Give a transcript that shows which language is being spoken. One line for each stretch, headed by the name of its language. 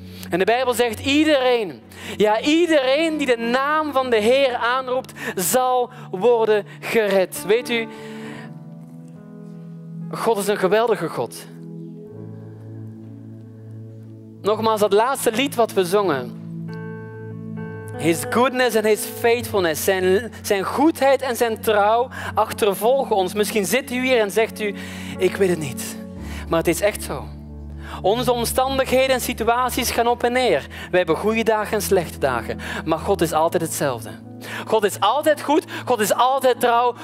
Dutch: En de Bijbel zegt, iedereen, ja iedereen die de naam van de Heer aanroept, zal worden gered. Weet u, God is een geweldige God. Nogmaals, dat laatste lied wat we zongen.
English: His goodness and his faithfulness.
Dutch: Zijn goedheid en zijn trouw achtervolgen ons. Misschien zit u hier en zegt u, ik weet het niet. Maar het is echt zo. Onze omstandigheden en situaties gaan op en neer. We hebben goede dagen en slechte dagen. Maar God is altijd hetzelfde. God is altijd goed. God is altijd trouw.